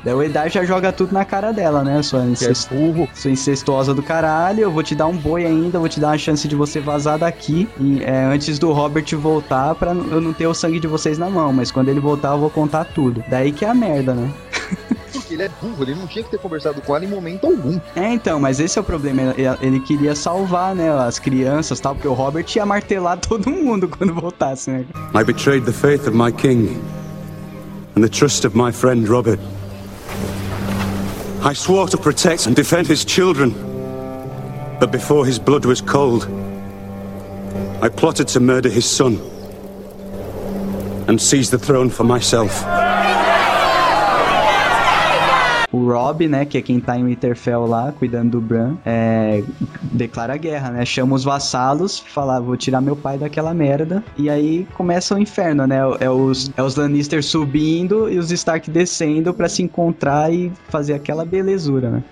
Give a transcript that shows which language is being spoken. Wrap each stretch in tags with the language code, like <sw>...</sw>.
<pt>Daí o Eddard já joga tudo na cara dela, né? Sua incestuosa do caralho, eu vou te dar um boi ainda, vou te dar uma chance de você vazar daqui antes do Robert voltar pra eu não ter o sangue de vocês na mão, mas quando ele voltar eu vou contar tudo. Daí que é a merda, né? Porque ele é burro, ele não tinha que ter conversado com ela em momento algum. Mas esse é o problema, ele queria salvar, né, as crianças e tal, porque o Robert ia martelar todo mundo quando voltasse, né?</pt> <en>I betrayed the faith of my king and the trust of my friend Robert. I swore to protect and defend his children. But before his blood was cold, I plotted to murder his son and seize the throne for myself.</en> <pt>O Robb, né, que é quem tá em Winterfell lá, cuidando do Bran, declara guerra, né, chama os vassalos, fala, vou tirar meu pai daquela merda, e aí começa o inferno, né, é os Lannister subindo e os Stark descendo pra se encontrar e fazer aquela belezura, né.</pt>